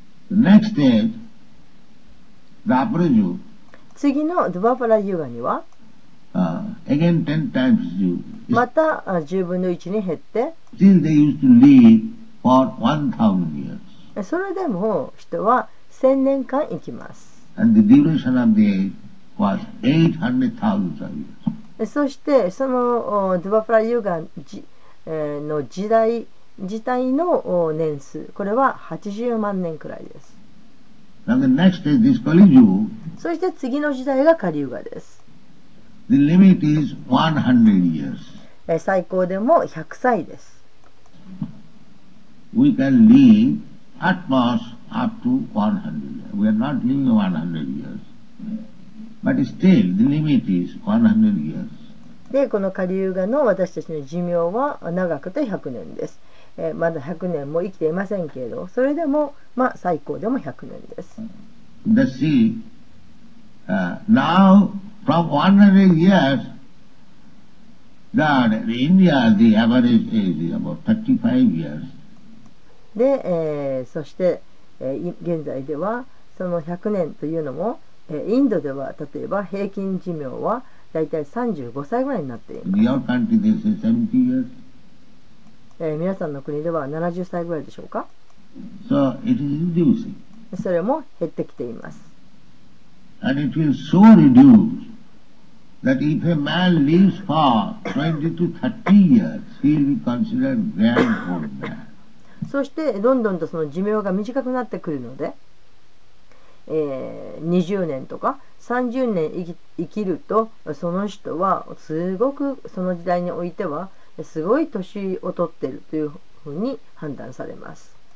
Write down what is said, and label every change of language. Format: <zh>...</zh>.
<en>The next stage, the upper yuga.</en> <ja>次のドゥバパラユーガには、</ja> <en>again 10 times reduced。</en> <ja>また10分の1に減って、</ja> <en>Still they used to live for 1,000 years。</en> <ja>それでも人は1000年間生きます。</ja> <en>And the duration of the age was 800,000 years。</en> <ja>そしてそのドゥバパラユーガの時代自体の年数、これは80万年くらいです。</ja> <en>Now the next is this Kali Yuga。</en> <ja>そして次の時代がカリユーガです。</ja> <en>The limit is 100 years。</en> <ja>最高でも100歳です。</ja> <en>We can live at most up to 100 years。 We are not living 100 years。 But still, the limit is 100 years.</en> <ja>で、このカリユーガの私たちの寿命は長くて100年です。まだ100年も生きていませんけれど、それでも、まあ、最高でも100年です。</ja> <en>The sea, now, from 100 years, that in India, the average age is about 35 years.</en> <ja>で、そして、現在では、その100年というのも、インドでは例えば平均寿命はだいたい35歳ぐらいになっています。</ja> <en>Your country they say 70 years。</en> <ja>皆さんの国では70歳ぐらいでしょうか。</ja> <en>So it is reducing。</en> <ja>それも減ってきています。</ja> <en>And it will so reduce that if a man lives for 20 to 30 years he will be considered grand old man。</en> <ja>そしてどんどんとその寿命が短くなってくるので、20年とか30年生きると、その人はすごくその時代においてはすごい年を取っているというふうに判断されます。</ja>